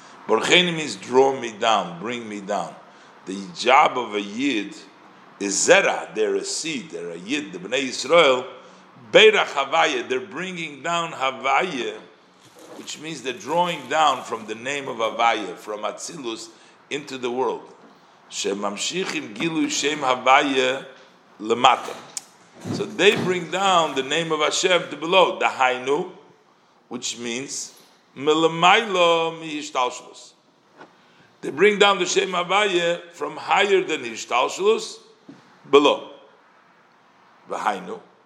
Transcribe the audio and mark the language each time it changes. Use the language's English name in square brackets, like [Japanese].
[English] Barcheni means draw me down, bring me down. The job of a Yid is Zera, they're a seed, they're a Yid, the Bnei Yisrael. Beira Havaya, they're bringing down Havaya, which means they're drawing down from the name of Havaya, from Atzilus, into the world. [Hebrew] שממשיכים גילוי שם הוויה למטה. [English] So they bring down the name of Hashem to below, the Hainu, which means Melamailo Mihishtalshulus. They bring down the Shem Havaya from higher than Hishtalshulus, below. Vahainu.